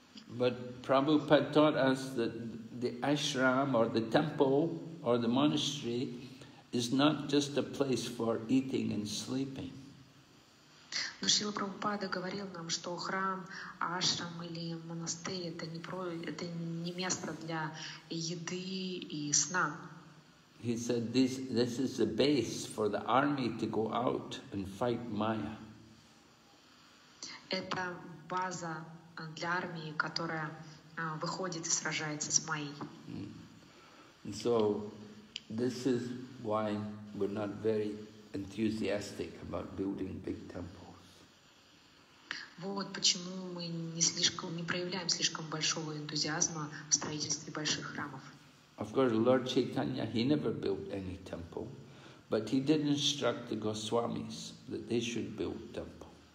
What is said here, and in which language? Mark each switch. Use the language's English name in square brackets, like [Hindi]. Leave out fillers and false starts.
[English] But Prabhupada taught us that the ashram or the temple or the monastery is not just a place for eating and sleeping. [Russian] Но Шрила Прабхупада говорил нам, что храм, ашрам или монастырь – это не место для еды и сна. [English] He said, this is the base for the army to go out and fight Maya. [Russian] Это база для армии, которая выходит и сражается с Майей. [English] And so, this is why we're not very enthusiastic about building big temples. [Russian] Вот почему мы не проявляем слишком большого энтузиазма в строительстве больших храмов. [English] Of course, Lord Chaitanya, he never built any temple, but he did instruct the Goswamis that they should build temple.